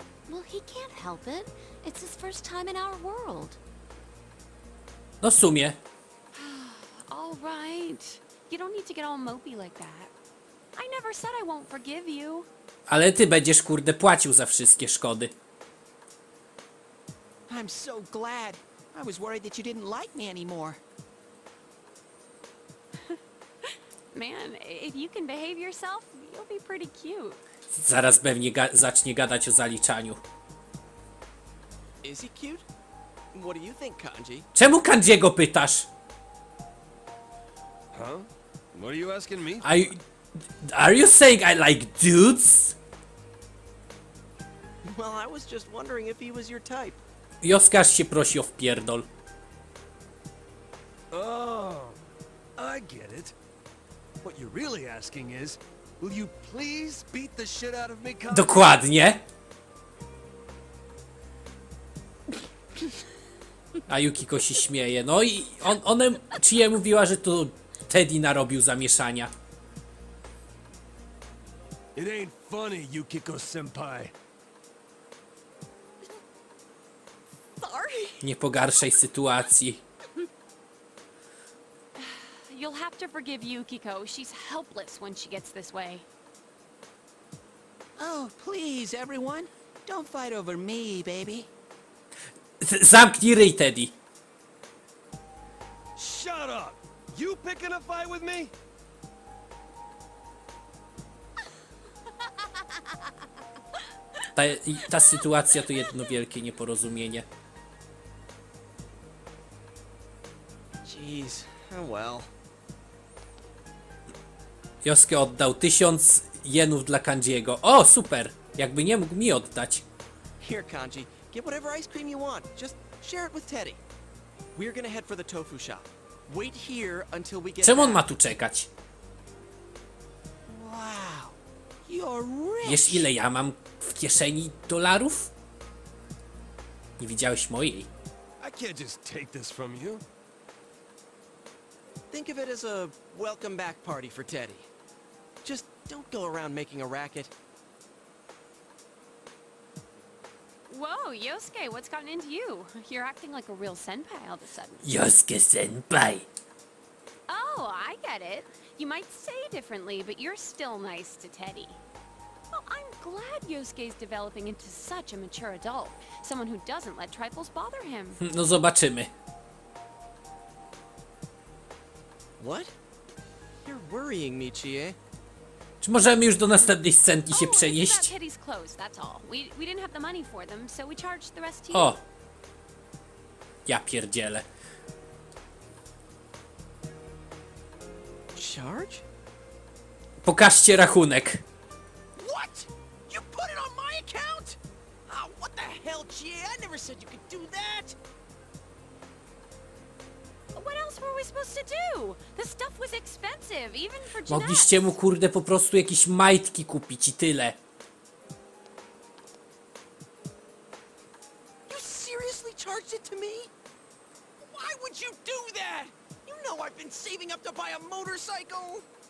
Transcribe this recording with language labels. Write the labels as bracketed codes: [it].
[en] Well, he can't help it. It's his first time in our world. [pl] No, w sumie. [en] All right. You don't need to get all mopey like that. I never said I won't forgive you. [pl] Ale ty będziesz kurde płacił za wszystkie szkody. [en] I'm so glad. I was worried that you didn't like me anymore. Man, if you can behave yourself, you'll be pretty cute. [pl] Zaraz pewnie zacznie gadać o zaliczaniu. [en] Is he cute? What do you think, Kanji? [pl] Czemu Kanjiego pytasz? [en] Huh? What are you asking me? Are you saying I like dudes? Well, I was just wondering if he was your type. [pl] Joskarz się prosi o wpierdol. [en] Oh, I get it. What you're really asking is, will you please beat the shit out of me, Kanji? [pl] Dokładnie. A Yukiko się śmieje. No i ona czyje mówiła, że to Teddy narobił zamieszania. [en] It ain't funny, Yukiko-senpai. Sorry. [pl] Nie pogarszaj sytuacji. [en] have to forgive Yukiko. She's helpless when she gets this way. Oh, please, everyone. Don't fight over me, baby. [pl] Zamknij ryj, Teddy. [en] Shut up! You picking a fight with me? [pl] Ta sytuacja to jedno wielkie nieporozumienie. [en] Jeez, oh well. [pl] Josuke oddał 1000 jenów dla Kanjiego. O, super! Jakby nie mógł mi oddać. [en] Here, Kanji, get whatever ice cream you want. Just share it with Teddy. We're gonna head for the tofu shop. Wait here until we get. [pl] Czemu on ma tu czekać? [en] Wow, you're rich. [pl] Wiesz, ile ja mam w kieszeni dolarów? Nie widziałeś mojej. [en] I can't just take this from you. Think of it as a welcome back party for Teddy. Just don't go around making a racket. Whoa, Yosuke, what's gotten into you? You're acting like a real senpai all of a sudden. Yosuke senpai. Oh, I get it. You might say differently, but you're still nice to Teddy. Well, I'm glad Yosuke's developing into such a mature adult, someone who doesn't let trifles bother him. [pl] No, zobaczymy. [en] What? You're worrying me, Chie. [pl] Czy możemy już do następnej scenki się przenieść? [en] Oh, Teddy's clothes, that's all. We didn't have the money for them, so we charged the rest to [pl] you. O. Ja pierdzielę. [en] Charge? [pl] Pokażcie rachunek. [en] What? You put it on my account? Oh, what the hell, Chie? I never said you could do that. What else were we supposed to do? The stuff was expensive, even for Jeanette. [pl] Mogliście mu kurde po prostu jakieś majtki kupić i tyle. [en] You seriously charged it to me? Why would you do that? You know I've been saving up to buy a motorcycle.